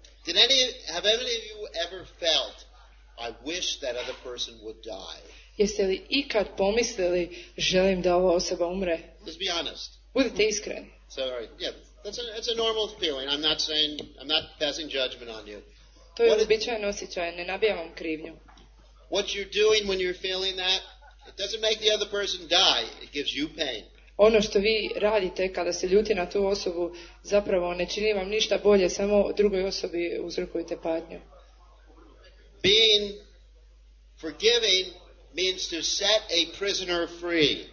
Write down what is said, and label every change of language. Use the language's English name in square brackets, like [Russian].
[English] Did any, have any of you ever felt, I wish that other person would die? [Croatian] Jeste li ikad pomislili, želim da ova osoba umre? [English] Let's be honest. [Croatian] Budite iskreni. [English] Sorry, yeah, that's a normal feeling. I'm not saying, I'm not passing judgment on you. [Croatian] To je običajan osjećaj, ne nabijam vam krivnju. [English] What you're doing when you're feeling that, it doesn't make the other person die, it gives you pain. [Croatian] Ono što vi radite kada se ljuti na tu osobu, zapravo ne čini vam ništa bolje, samo drugoj osobi uzrokujete patnju. [English] Being forgiving means to set a prisoner free.